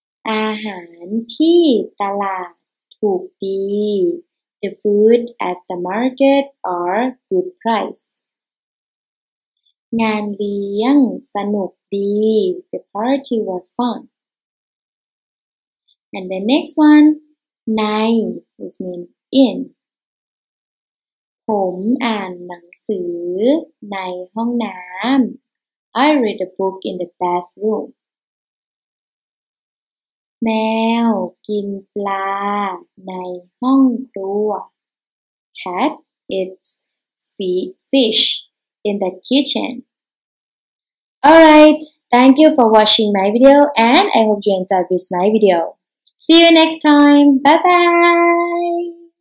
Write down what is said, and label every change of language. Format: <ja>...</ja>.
<th>อาหารที่ตลาดถูกดี</th> <en>The food at the market are good price.</en> <th>งานเลี้ยงสนุกดี</th> <en>The party was fun. And the next one, nine, which means in.</en> <th>ผมอ่านหนังสือในห้องน้ำ</th> <en>I read a book in the bathroom.</en> <th>แมวกินปลาในห้องครัว</th> <en>Cat eats fish in the kitchen. Alright, thank you for watching my video and I hope you enjoyed this my video. See you next time. Bye bye.</en>